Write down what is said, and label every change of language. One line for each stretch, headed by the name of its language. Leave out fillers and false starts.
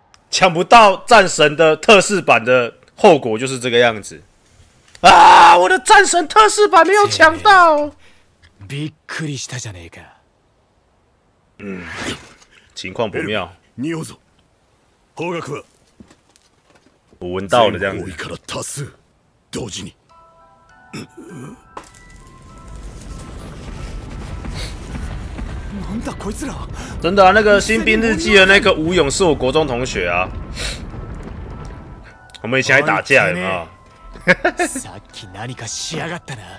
Chinese: 抢不到战神的特仕版的后果就是这个样子。啊！我的战神特仕版没有抢到。
Japanese: びっくりしたじゃねえか。
Chinese: 情况不妙。
Japanese: ニオゾ、方角は。
Chinese: 我闻到了这样子。
Japanese: 全方位から多数同時に。なんだこいつら。
Chinese: 真的啊，那个新兵日记的那个吴勇是我国中同学啊。我们以前还打架，有没有？
Japanese: さっき何かしやがったな。